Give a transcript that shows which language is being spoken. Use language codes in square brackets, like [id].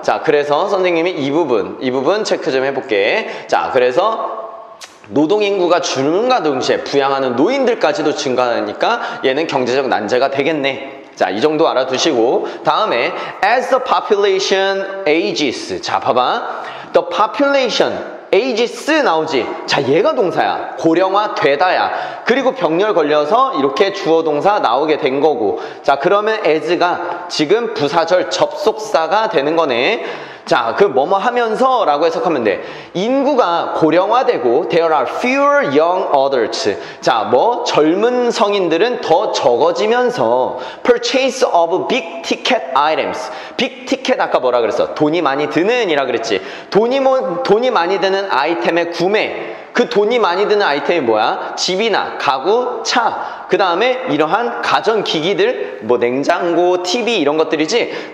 [ko] 자, 그래서 선생님이 이 부분 체크 좀 해볼게. 자, 그래서 노동인구가 줄는가 동시에 부양하는 노인들까지도 증가하니까 얘는 경제적 난제가 되겠네. 자, 이 정도 알아두시고 다음에 [en] as the population ages. [ko] 자, 봐봐. [en] the population ages [ko] 나오지. 자, 얘가 동사야. 고령화 되다야. 그리고 병렬 걸려서 이렇게 주어 동사 나오게 된 거고. 자, 그러면 as가 지금 부사절 접속사가 되는 거네. 자, 그 뭐뭐 하면서 라고 해석하면 돼. 인구가 고령화되고 [en] there are fewer young adults. [ko] 자, 뭐 젊은 성인들은 더 적어지면서 [en] purchase of big ticket items. [ko] big ticket 아까 뭐라 그랬어? 돈이 많이 드는 이라 그랬지. 돈이 많이 드는 아이템의 구매. 그 돈이 많이 드는 아이템이 뭐야? 집이나 가구, 차, 그 다음에 이러한 가전기기들, 뭐 냉장고, TV 이런 것들이지.